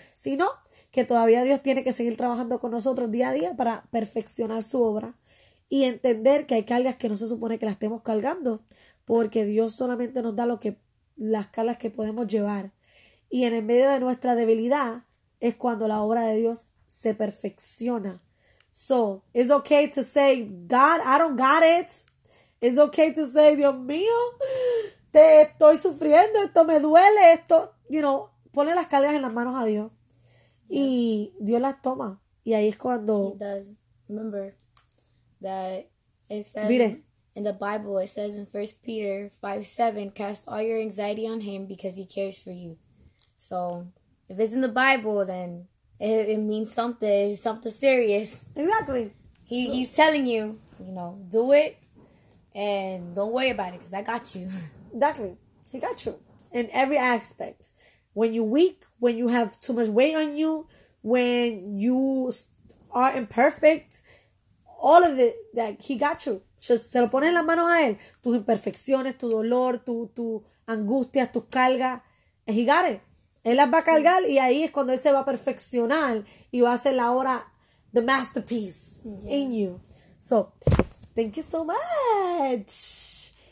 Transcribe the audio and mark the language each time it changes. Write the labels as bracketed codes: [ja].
[es] Sino que todavía Dios tiene que seguir trabajando con nosotros día a día para perfeccionar su obra. Y entender que hay cargas que no se supone que las estemos cargando. Porque Dios solamente nos da las cargas que podemos llevar. Y en el medio de nuestra debilidad es cuando la obra de Dios se perfecciona. [en] So it's okay to say, God, I don't got it. It's okay to say, [es] Dios mío, te estoy sufriendo, esto me duele, esto, you know, pone las cargas en las manos a Dios. Yeah. Y Dios las toma. Y ahí es cuando... [en] He does. Remember that it says... Mire. In the Bible, it says in 1 Peter 5:7, cast all your anxiety on him because he cares for you. So if it's in the Bible, then it means something. It's something serious. Exactly. He's telling you, you know, do it. And don't worry about it, because I got you. Exactly. He got you. In every aspect. When you're weak, when you have too much weight on you, when you are imperfect, all of it, that he got you. [es] Just se lo pone en las manos a él. Tus imperfecciones, tu dolor, tu angustia, tus cargas. [en] And he got it. [es] Él las va a cargar, y ahí es cuando él se va a perfeccionar y va a hacer la obra, [en] the masterpiece, [es] yeah, in you. So... [en] Thank you so much.